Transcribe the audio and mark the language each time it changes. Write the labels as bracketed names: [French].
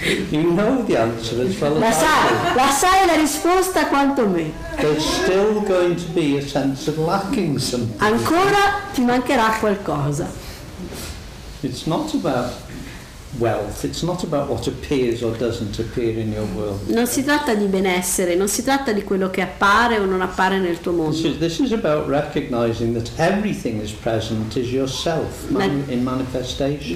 [English] You know the answer as well as [Italian] la sai la risposta quanto me. [English] There's still going to be a sense of lacking something. [Italian] Ancora ti mancherà qualcosa. [English] It's not about wealth, it's not about what appears or doesn't appear in your world. [Italian] Non si tratta di benessere, non si tratta di quello che appare o non appare nel tuo mondo. [English] This is about recognizing that everything is present is yourself in manifestation.